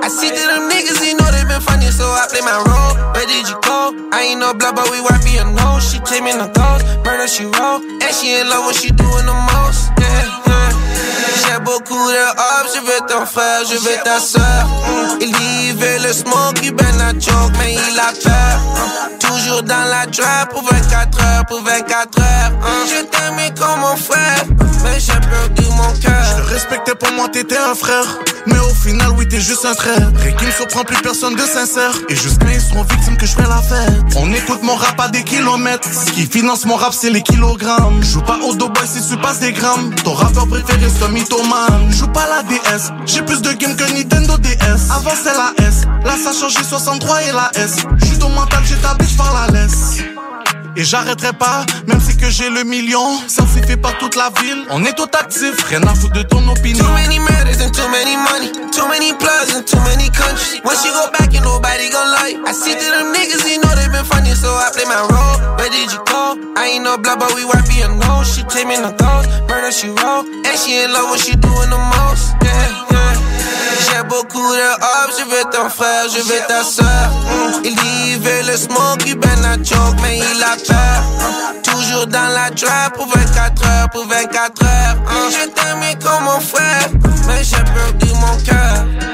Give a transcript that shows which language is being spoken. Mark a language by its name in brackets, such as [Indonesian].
[English] I see that them niggas, they know they been funny. So I play my role, where did you go? I ain't no blood, but we wipe your nose. She came in the ghost, murder she wrote. And she in love when she doing the most, yeah. [French] J'ai beaucoup de hops, je veux ton frère, je veux ta soeur. Il vivait le smoke, il ben la choke, mais il a peur. Toujours dans la trap, pour 24 heures, pour 24 heures. Je t'aimais comme mon frère, mais j'ai perdu mon cœur. Je le respectais pour moi, t'étais un frère. Mais au final, oui, t'es juste un traître. Rien qui me surprend, plus personne de sincère. Et juste quand ils seront victimes que je fais la fête. On écoute mon rap à des kilomètres. Ce qui finance mon rap, c'est les kilogrammes. Joue pas au Dubaï si tu passes des grammes. Ton rappeur préféré, c'est un mythomane. Joue pas la DS. J'ai plus de game que Nintendo DS. Avant, c'est la S. Là, ça change, j'ai 63 et la S. Juste au mental, j'ai ta bitch par la laisse. Et j'arrêterai pas, même si que j'ai le million. Ça s'y fait pas toute la ville. On est tout actif, rien à foutre de ton opinion. [English] Too many matters and too many money. Too many plugs and too many countries. When she go back and nobody gon' lie. I see that them niggas, they know they been funny. So I play my role, where did you go? I ain't no blood, but we wipe your nose. She came in the ghost, murder she wrote. And she in love when she doing the most, yeah. [French] J'ai beaucoup de hop, je veux ton frère, je veux ta soeur. Il vivait le smoke, il ben la choke, mais il a peur. Toujours dans la trap, pour 24 heures, pour 24 heures. Je t'aimais comme mon frère, mais j'ai perdu mon cœur.